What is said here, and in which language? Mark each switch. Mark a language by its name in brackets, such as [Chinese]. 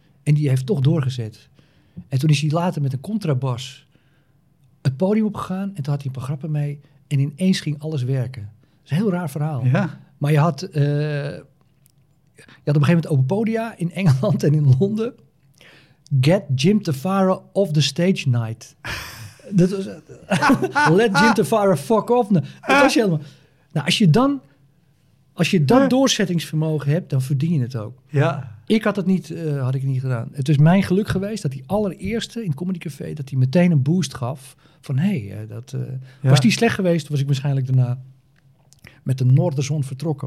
[Dutch] En die heeft toch doorgezet. En toen is hij later met een contrabas het podium opgegaan en toen had hij een paar grappen mee en ineens ging alles werken. Dat is een heel raar verhaal. Ja. Maar je had op een gegeven moment open podia in Engeland en in Londen. [English] Get Jim Tafare off the stage night. [Dutch] Dat was, [English] let Jim Tafare fuck off. [Dutch] Dat was helemaal. Nou, als je dan doorzettingsvermogen hebt, dan verdien je het ook. Ja. Ik had het niet, had ik niet gedaan. Het is mijn geluk geweest dat die allereerste in het Comedy Café, dat hij meteen een boost gaf van was die slecht geweest, was ik waarschijnlijk daarna met de Noorderzon vertrokken.